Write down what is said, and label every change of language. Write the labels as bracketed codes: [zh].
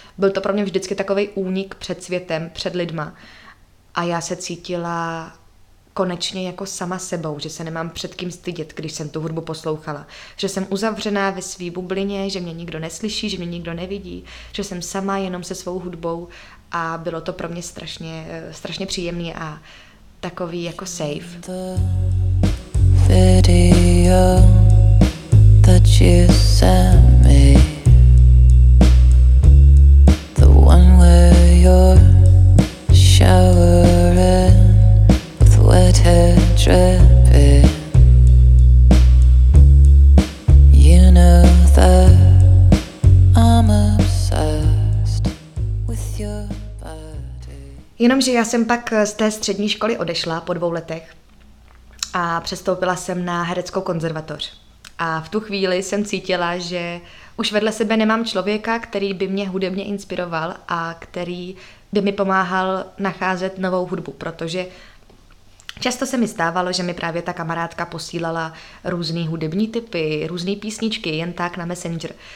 [cs] Byl to pro mě vždycky takovej únik před světem, před lidma. A já se cítila konečně jako sama sebou, že se nemám před kým stydět, když jsem tu hudbu poslouchala. Že jsem uzavřená ve své bublině, že mě nikdo neslyší, že mě nikdo nevidí, že jsem sama jenom se svou hudbou a bylo to pro mě strašně, strašně příjemný a takový jako safe. [en] The video that you sent me, the one where you're showering with wet hair dripping, you know that I'm obsessed with your. [cs] Jenomže já jsem pak z té střední školy odešla po 2 letech a přestoupila jsem na hereckou konzervatoř. A v tu chvíli jsem cítila, že už vedle sebe nemám člověka, který by mě hudebně inspiroval a který by mi pomáhal nacházet novou hudbu, protože často se mi stávalo, že mi právě ta kamarádka posílala různý hudební typy, různé písničky, jen tak na Messenger.